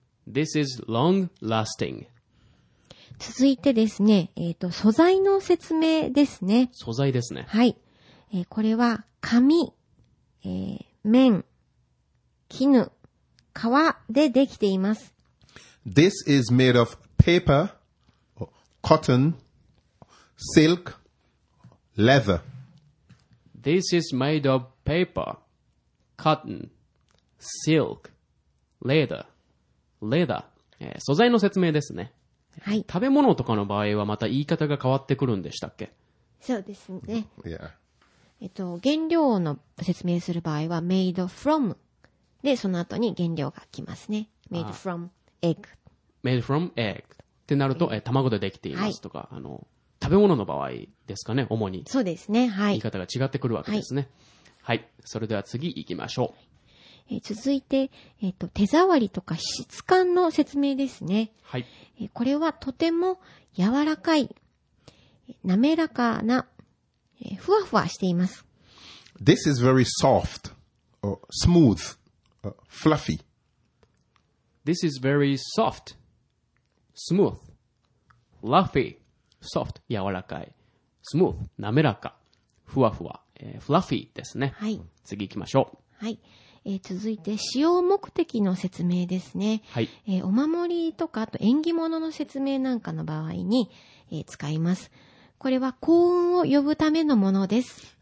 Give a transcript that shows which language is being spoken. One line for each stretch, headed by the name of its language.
English: This is long lasting.
Japanese: 続いてですね、素材の説明ですね。素材ですね。はい。これは紙、綿、絹、革でできています。
English: This is made of paper, cotton, silk, leather. This is made of paper, cotton, silk, leather.
Japanese: Leather. 素材の説明ですね。はい。食べ物とかの場合はまた言い方が変わってくるんでしたっけ？そうですね。
English: Yeah.
Japanese: 原料の説明する場合は
English: made from。
Japanese: で、その後に原料が来ますね。
English: made from egg。 made from egg。
Japanese: ってなると、卵でできていますとか、はい、食べ物の場合ですかね、主に。そうですね。はい。言い方が違ってくるわけですね。はい。はい、それでは次行きましょう。続いて、手触りとか質感の説明ですね。はい。これはとても柔らかい、滑らかな、ふわふわしています。
English: This is very soft, or smooth, or fluffy. This is very soft, smooth, fluffy. Soft,
Japanese: 柔らかい。
English: Smooth,
Japanese: 滑らか。ふわふわ、fluffy ですね。はい。次行きましょう。はい。続いて使用目的の説明ですね、はい。お守りとかあと縁起物の説明なんかの場合に、使います。これは幸運を呼ぶためのものです。